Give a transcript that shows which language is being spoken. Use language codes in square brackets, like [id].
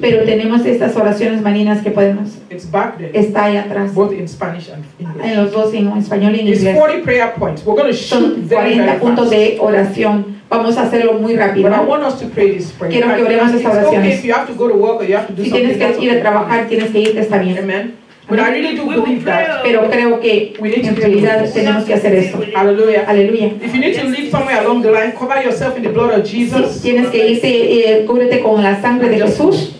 [es] pero pray. Tenemos estas oraciones marinas que podemos. [en] It's back there. [es] Está ahí atrás. [en] Both in Spanish and English. [es] En los dos, en español y en [en] it's [es] inglés. [en] 40 prayer points. We're going to shoot them very fast. [es] 40 puntos de oración. Vamos a hacerlo muy rápido. [en] But I want us to pray this prayer. [es] Quiero que oremos estas oraciones. [en] If you have to go to work or you have to do [es] si tienes que ir a trabajar, tienes que irte, está bien. [en] Amen. But I really do believe that. [es] Pero creo que en realidad tenemos que hacer esto. Aleluya. [en] If you need to leave somewhere along the line, cover yourself in the blood of Jesus. [es] Si tienes que irte, cúbrete con la sangre de Jesús.